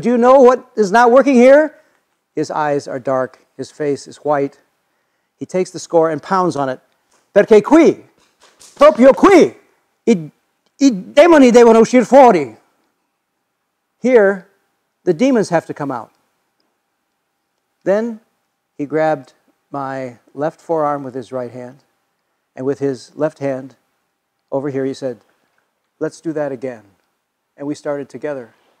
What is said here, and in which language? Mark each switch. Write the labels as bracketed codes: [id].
[en] Do you know what is not working here? His eyes are dark. His face is white. He takes the score and pounds on it. [it] "Perché qui, proprio qui, i demoni devono uscire fuori." [en] Here, the demons have to come out. Then he grabbed my left forearm with his right hand, and with his left hand over here, he said, "Let's do that again." And we started together.